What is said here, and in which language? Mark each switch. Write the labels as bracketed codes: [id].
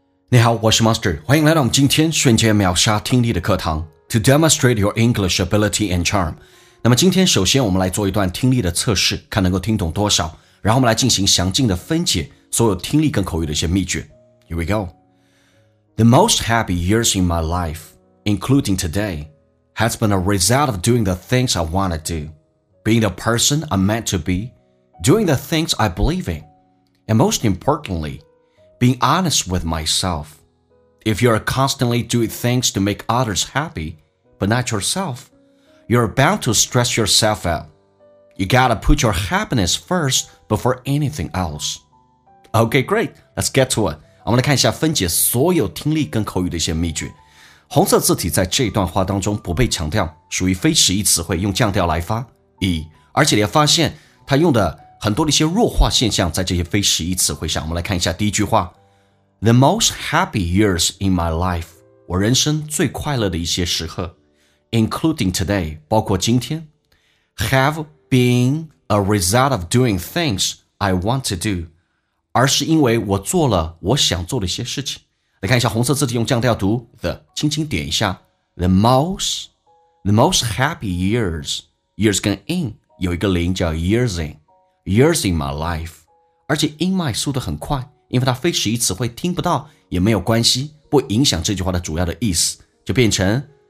[zh] 你好，我是 Master， 欢迎来到我们今天瞬间秒杀听力的课堂 [en] To demonstrate your English ability and charm。 [zh] 那么今天首先我们来做一段听力的测试，看能够听懂多少，然后我们来进行详尽的分解所有听力跟口语的一些秘诀。 [en] Here we go. The most happy years in my life, including today, has been a result of doing the things I want to do, being the person I'm meant to be, doing the things I believe in, and most importantlyBeing honest with myself. If you are constantly doing things to make others happy, but not yourself, you are bound to stress yourself out. You gotta put your happiness first before anything else. Okay, great. Let's get to it. [zh] 我们来看一下分解所有听力跟口语的一些秘诀。红色字体在这段话当中不被强调，属于非实义词汇，用降调来发。 E， 而且你要发现它用的很多的一些弱化现象在这些非实义词汇上。我们来看一下第一句话， [en] The most happy years in my life， [zh] 我人生最快乐的一些时刻， [en] including today， [zh] 包括今天， [en] have been a result of doing things I want to do， [zh] 而是因为我做了我想做的一些事情。来看一下红色字体，用降调读 the， 轻轻点一下 [en] the most happy years [zh] 跟 in 有一个零，叫 [en] years in my life， [zh] 而且 in my 速度很快，因为它非实义词汇听不到也没有关系，不影响这句话的主要的意思，就变成